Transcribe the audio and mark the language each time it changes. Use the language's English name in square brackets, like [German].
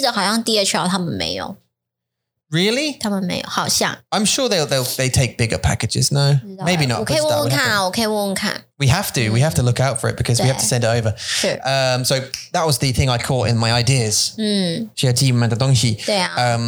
[Chinese] 然后我找一个比较能够相信的公司。对啊，不过我记得好像DHL他们没有。 [English] Really? [Chinese] 他们没有，好像。 [English] I'm sure they take bigger packages. No, maybe not. [Chinese] 我可以问问看啊，我可以问问看。 [English] We have to. We have to look out for it because we have to send it over. Sure. So that was the thing I caught in my ideas. [Chinese] 嗯，需要寄你们的东西。对啊。